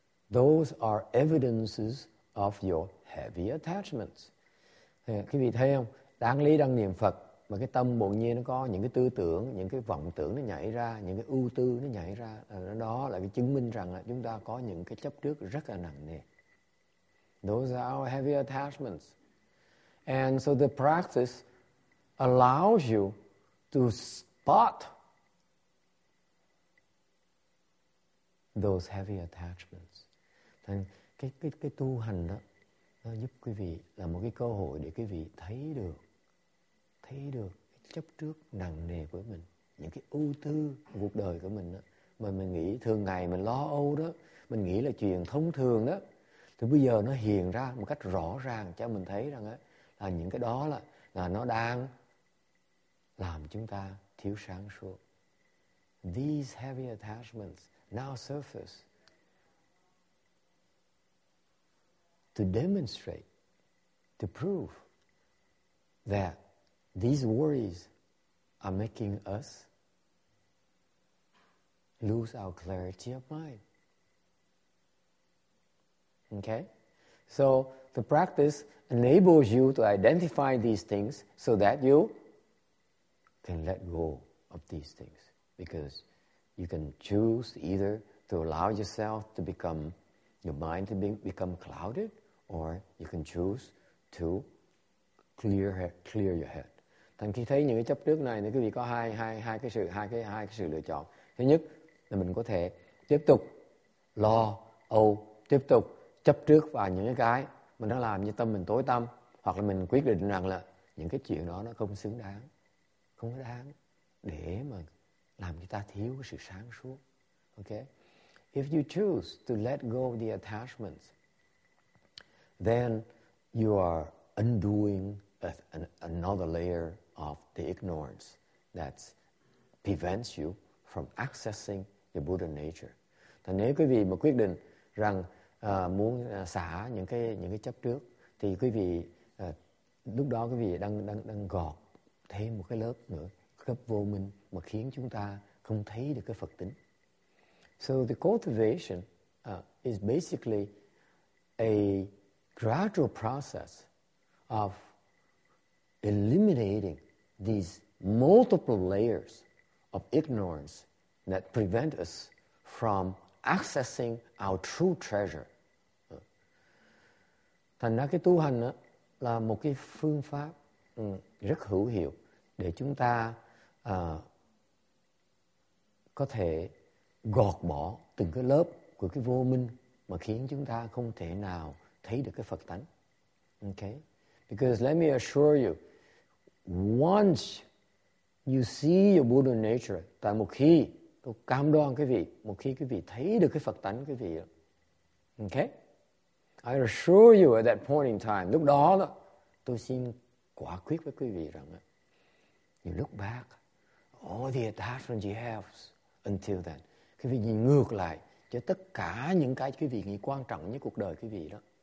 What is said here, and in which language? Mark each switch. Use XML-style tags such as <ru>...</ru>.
<en>Those are evidences of your heavy attachments.</en> <vi>Quý vị thấy không? Đáng lý đang niệm Phật mà cái tâm bỗng nhiên nó có những cái tư tưởng, những cái vọng tưởng nó nhảy ra, những cái ưu tư nó nhảy ra, đó là cái chứng minh rằng là chúng ta có những cái chấp trước rất là nặng nề.</vi> <en>Those are our heavy attachments. And so the practice allows you to spot those heavy attachments.</en> <vi>Thành cái tu hành đó, nó giúp quý vị, là một cái cơ hội để quý vị thấy được cái chấp trước nặng nề của mình, những cái ưu tư của cuộc đời của mình đó. Mà mình nghĩ thường ngày mình lo âu đó, mình nghĩ là chuyện thông thường đó, thì bây giờ nó hiện ra một cách rõ ràng cho mình thấy rằng đó, là những cái đó là nó đang làm chúng ta thiếu sáng suốt.</vi> <en>These heavy attachments now surface to demonstrate, to prove that these worries are making us lose our clarity of mind. Okay? So the practice enables you to identify these things so that you can let go of these things, because you can choose either to allow yourself to become your mind to become clouded, or you can choose to clear your head.</en> <vi>Thành khi thấy những cái chấp trước này thì quý vị có hai cái sự lựa chọn. Thứ nhất là mình có thể tiếp tục lo âu, tiếp tục chấp trước vào những cái mình đã làm như tâm mình tối tăm, hoặc là mình quyết định rằng là những cái chuyện đó nó không xứng đáng, không đáng để mà làm cho ta thiếu cái sự sáng suốt.</vi> <en>Okay? If you choose to let go of the attachments, then you are undoing another layer of the ignorance that prevents you from accessing your Buddha nature.</en> <vi>Thì nếu quý vị mà quyết định rằng muốn xả những cái chấp trước, thì quý vị lúc đó quý vị đang gọt thêm một cái lớp nữa, cấp vô minh mà khiến chúng ta không thấy được cái Phật tính.</vi> <en>So the cultivation is basically a gradual process of eliminating these multiple layers of ignorance that prevent us from accessing our true treasure.</en> <vi>Thành ra cái tu hành đó là một cái phương pháp rất hữu hiệu để chúng ta có thể gọt bỏ từng cái lớp của cái vô minh mà khiến chúng ta không thể nào thấy được cái Phật tánh.</vi> <en>Okay? Because let me assure you, once you see your Buddha nature,</en> <vi>tại một khi, tôi cam đoan quý vị, một khi quý vị thấy được cái Phật tánh quý vị, okay?</vi> <en>I assure you at that point in time,</en> <vi>lúc đó, đó tôi xin quả quyết với quý vị rằng,</vi> <en>you look back, all the attachments you have until then,</en> <vi>quý vị nhìn ngược lại cho tất cả những cái quý vị nghĩ quan trọng nhất cuộc đời quý vị đó.</vi>